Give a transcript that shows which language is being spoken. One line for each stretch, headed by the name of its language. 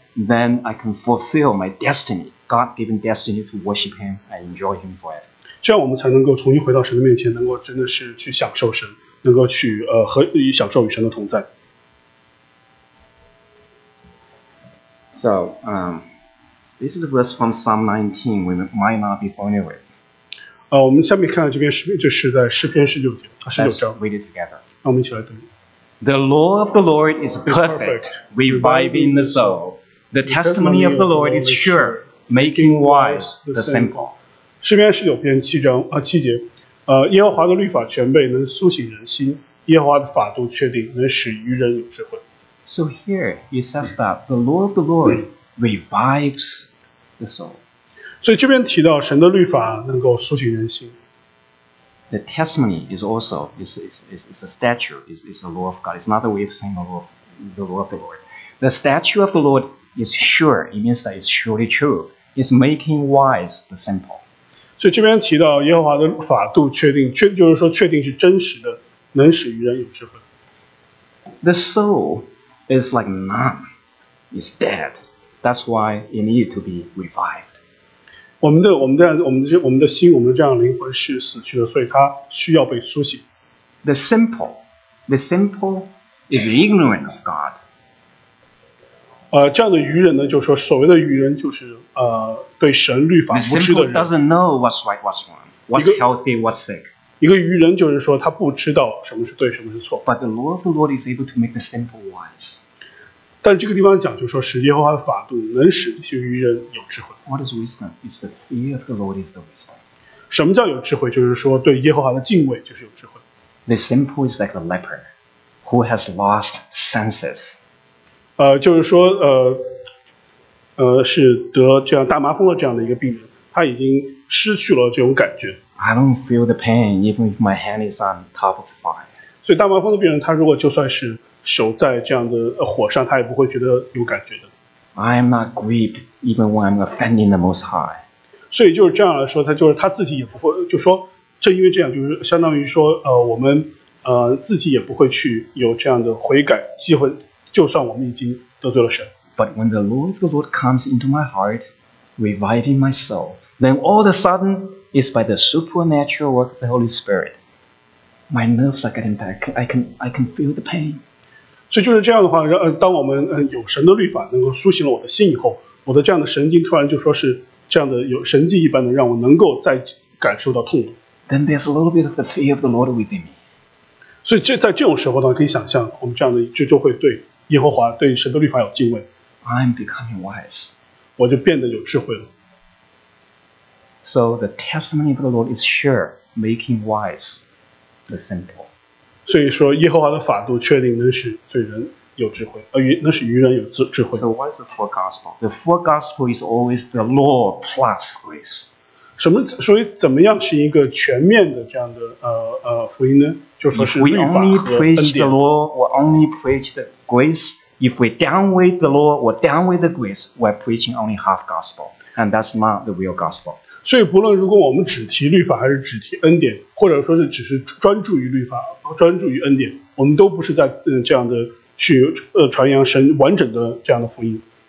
English: Then I can fulfill my destiny, God-given destiny to worship Him and enjoy Him forever.
Chinese: 这样我们才能够重新回到神的面前，能够真的是去享受神，能够去和享受与神的同在。
English: So, this is the verse from Psalm 19 we might not be familiar with.
Chinese: 我们下面看到这篇诗篇，就是在诗篇十九章。
English: Let's read it together.
Chinese: 那我们一起来读。
English: The law of the Lord is perfect, reviving the soul. The testimony of the Lord is sure, making wise the simple.
Chinese: 诗篇十九篇七节，耶和华的律法全备，能苏醒人心；耶和华的法度确定，能使愚人有智慧。
English: So here he says that the law of the Lord revives the soul.
Chinese: 所以这边提到神的律法能够苏醒人心。
English: The testimony is also is a statue, is a law of God. It's not the way of saying the law of the Lord. The statue of the Lord is sure. It means that it's surely true. It's making wise the simple.
Chinese: 所以这边提到耶和华的法度确定，就是说确定是真实的，能使于人有智慧。
English: The soul is like none, is dead. That's why it need to be revived.
Chinese: 我们的心，我们的这样的灵魂是死去的，所以它需要被苏醒。
English: The simple is ignorant of God.
Chinese: 这样的愚人呢，就是说所谓的愚人就是对神律法无知的人。
English: The simple doesn't know what's right, what's wrong, what's healthy, what's sick.
Chinese: 一个愚人就是说他不知道什么是对什么是错。
English: But the Lord is able to make the simple wise.
Chinese: 但这个地方讲就是说使耶和华的法度能使这些愚人有智慧。
English: What is wisdom? It's the fear of the Lord is the wisdom.
Chinese: 什么叫有智慧？就是说对耶和华的敬畏就是有智慧。
English: The simple is like a leper who has lost senses.
Chinese: 就是说是得这样大麻风的这样的一个病人，他已经失去了这种感觉。
English: I don't feel the pain even if my hand is on top of fire.
Chinese: 所以大麻风的病人，他如果就算是手在这样的火上，他也不会觉得有感觉的。
English: I am not grieved even when I'm offending the Most High.
Chinese: 所以就是这样来说，他就是他自己也不会，就说正因为这样，就是相当于说，我们自己也不会去有这样的悔改机会，就算我们已经得罪了神。
English: But when the Lord comes into my heart, reviving my soul, then all of a sudden. Is by the supernatural work of the Holy Spirit. My nerves are getting back. I can feel the pain.
Chinese: 所以就是这样的话，当我们有神的律法能够苏醒了我的心以后，我的这样的神经突然就说是这样的有神迹一般的让我能够再感受到痛苦。
English: Then there's a little bit of the fear of the Lord within me.
Chinese: 所以在这种时候呢，可以想象我们这样的就会对耶和华对神的律法有敬畏。
English: I'm becoming wise.
Chinese: 我就变得有智慧了。
English: So the testimony of the Lord is sure, making wise the simple.
Chinese: 所以说耶和华的法度确定能使罪人有智慧，能使愚人有智慧。
English: So what is the four gospel? The four gospel is always the law plus grace.
Chinese: 什么？所以怎么样是一个全面的这样的福音呢？就说是律法和恩典。
English: If we only preach the law, we only preach the grace. If we downweight the law, we downweight the grace. We're preaching only half gospel, and that's not the real gospel.
Chinese: 所以不论如果我们只提律法还是只提恩典，或者说是只是专注于律法专注于恩典，我们都不是在这样的去传扬神完整的这样的福音。